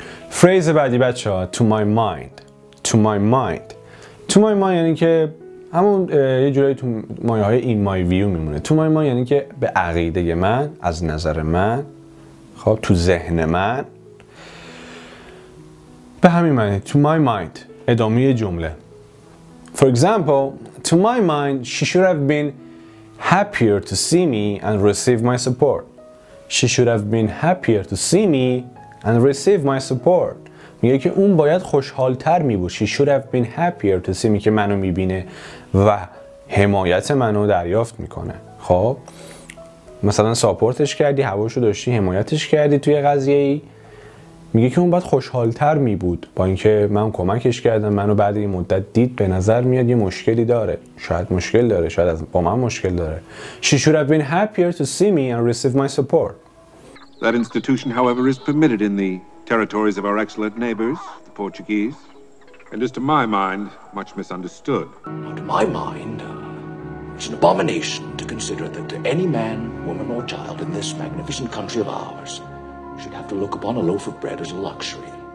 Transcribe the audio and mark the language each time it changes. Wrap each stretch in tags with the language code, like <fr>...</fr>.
<fa>فریز بعدی بچه ها</fa> <en>To my mind</en> <fa>یعنی که همون یه جورایی تو مایه های این مای ویو میمونه. تو مایه ما یعنی که به عقیده من، از نظر من، خب تو ذهن من، به همین معنی تو مای مایند ادامه جمله.</fa> <en>For example, to my mind she should have been happier to see me and receive my support. She should have been happier to see me and receive my support.</en> <fa>میگه که اون باید خوشحال تر میبود.</fa> <en>She should have been happier to see me</en> <fa>که منو میبینه و حمایت منو دریافت میکنه. خب مثلا ساپورتش کردی، هواشو داشتی، حمایتش کردی توی قضیه ای. میگه که اون باید خوشحال تر میبود با اینکه من کمکش کردم. منو بعد این مدت دید، به نظر میاد یه مشکلی داره. شاید مشکل داره، شاید با من مشکل داره.</fa> <en>She should have been happier to see me and receive my support. That institution however is permitted in the territories of our excellent neighbors, the Portuguese, and is to my mind much misunderstood. To my mind, it's an abomination to consider that any man, woman, or child in this magnificent country of ours should have to look upon a loaf of bread as a luxury.</en>